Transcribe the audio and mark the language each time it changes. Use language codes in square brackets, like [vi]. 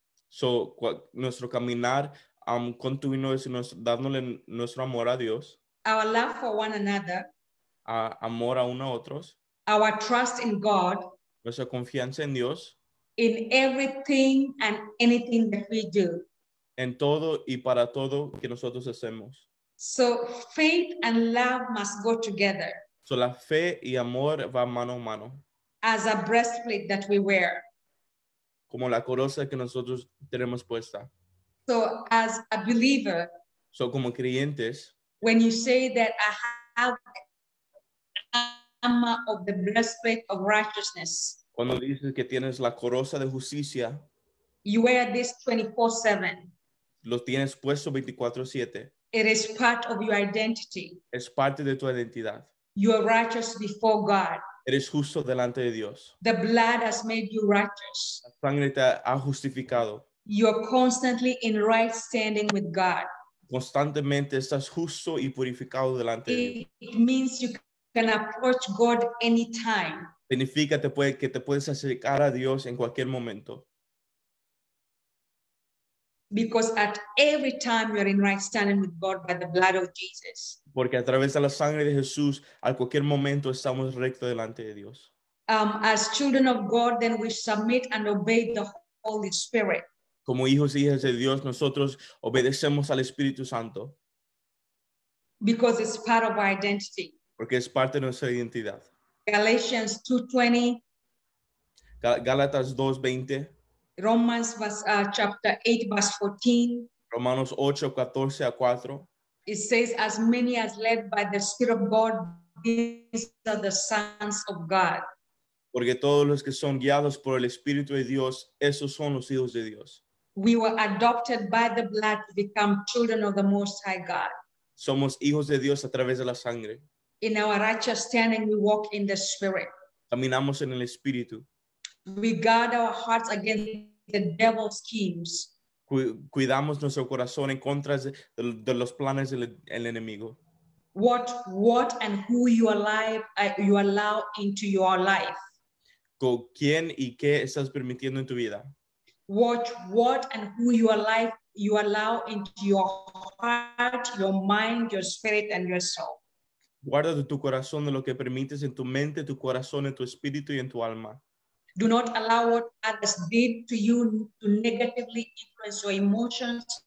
[es] So nuestro caminar continuo es dándole nuestro amor a Dios. [en] Our love for one another. [es] Amor a uno a otros. [en] Our trust in God. [es] Nuestra confianza en Dios. [en] In everything and anything that we do. [es] En todo y para todo que nosotros hacemos. [en] So faith and love must go together. [es] So la fe y amor va mano a mano. [en] As a breastplate that we wear. [es] Como la coraza que nosotros tenemos puesta. [en] So as a believer. [es] So como creyentes. [en] When you say that I have the armor of the breastplate of righteousness. [es] Cuando dices que tienes la coraza de justicia. [en] You wear this 24/7. [es] Lo tienes puesto 24/7. [en] It is part of your identity. [es] Es parte de tu identidad. [en] You are righteous before God. [es] Eres justo delante de Dios. [en] The blood has made you righteous. [es] La sangre te ha justificado. [en] You are constantly in right standing with God. [es] Constantemente estás justo y purificado delante de Dios. [en] It means you can approach God anytime. [es] Significa que te puedes acercar a Dios en cualquier momento. [en] Because at every time you are in right standing with God by the blood of Jesus. [es] Porque a través de la sangre de Jesús, a cualquier momento estamos recto delante de Dios. [en] As children of God, then we submit and obey the Holy Spirit. [es] Como hijos y hijas de Dios, nosotros obedecemos al Espíritu Santo. [en] Because it's part of our identity. [es] Porque es parte de nuestra identidad. [en] Galatians 2:20. [es] Gálatas 2:20. [en] Romans verse, chapter 8 verse 14. [es] Romanos 8, 14 a 4. [en] It says, as many as led by the Spirit of God, these are the sons of God. [es] Porque todos los que son guiados por el Espíritu de Dios, esos son los hijos de Dios. [en] We were adopted by the blood to become children of the Most High God. [es] Somos hijos de Dios a través de la sangre. [en] In our righteous standing, we walk in the Spirit. [es] Caminamos en el Espíritu. [en] We guard our hearts against the devil's schemes. [es] Cuidamos nuestro corazón en contra de los planes del enemigo. [en] What and who you allow into your life. [es] Con quién y qué estás permitiendo en tu vida. [en] What and who you allow into your heart, your mind, your spirit, and your soul. [es] Guarda de tu corazón de lo que permites en tu mente, tu corazón, en tu espíritu y en tu alma. [en] Do not allow what others did to you to negatively influence your emotions